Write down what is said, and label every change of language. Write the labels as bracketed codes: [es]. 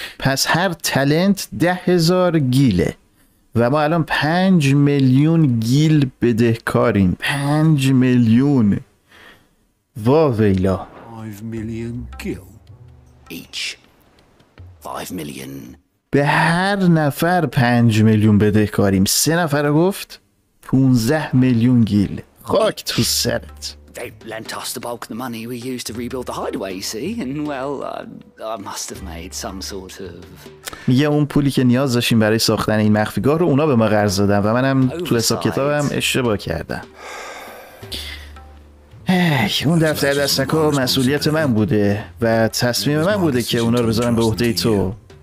[fa] پس هر تالنت 10,000 گیله و ما الان 5 میلیون گیل بدهکاریم. 5 میلیون وا ویلا. 5 میلیون گیل ایچ. 5 میلیون به هر نفر 5 میلیون بدهکاریم. 3 نفر رو گفت 15 میلیون گیل. خاک تو سرت. [en] They lent us the bulk of the money we used to rebuild the hideaway, you see, and well, I must have made some sort of. [fa] میگه اون پولی که نیاز داشتیم برای ساختن این مخفیگاه رو اونا به ما قرض دادن و منم تو حساب کتابم اشتباه کردم. ای اون دفتر دستکا مسئولیت من بوده و تصمیم من بوده که اونا رو بذارم به عهده تو.